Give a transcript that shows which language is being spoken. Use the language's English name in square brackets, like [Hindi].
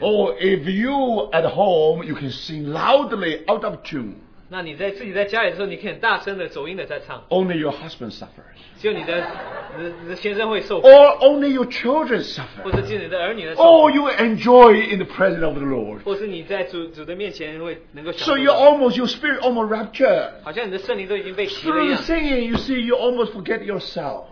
[English] or if you at home, you can sing loudly out of tune, [Chinese] 那你在自己在家里的时候, 你可以很大声的走音的在唱, [English] only your husband suffers, [Chinese] 只有你的先生会受苦, [English] or only your children suffer, [Chinese] 或者是你的儿女的受苦, [English] or you enjoy in the presence of the Lord, [Chinese] 或是你在主的面前会能够享受, [English] so you almost, your spirit almost rapture, [Chinese] 好像你的圣灵都已经被提了一样, [English] through singing, you see, you almost forget yourself.